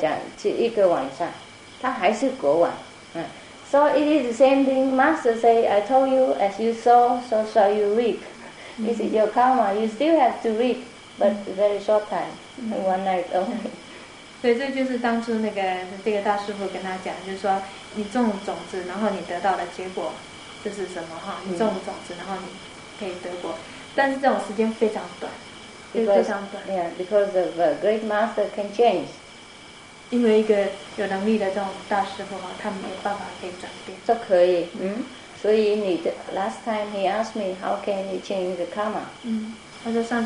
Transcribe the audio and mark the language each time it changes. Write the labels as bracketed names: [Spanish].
[Chinese] 变成一个很穷困的农夫，一世，就是一世中要变成一个很穷困农夫，但是大师父把他转变60年，把他集中在一个晚上的噩梦，整个消除这样。对，对，对别人来讲是60年，他的家庭的农夫60年，可是对国王来讲是一个晚上，他还是国王。 [English] So it is the same thing. Master say, I told you, as you sow, so shall you reap. This is your karma. You still have to reap, but very short time, one night only. [Chinese] 所以这就是当初那个大师父跟他讲，就是说你种种子，然后你得到的结果这是什么？你种种子，然后你可以得果，但是这种时间非常短，非常短。 [English] Yeah, because of a great master can change. [Chinese] 因为一个有能力的这种大师傅，他没有办法可以转变。都可以，所以你的 [English] last time he asked me how can you change the karma？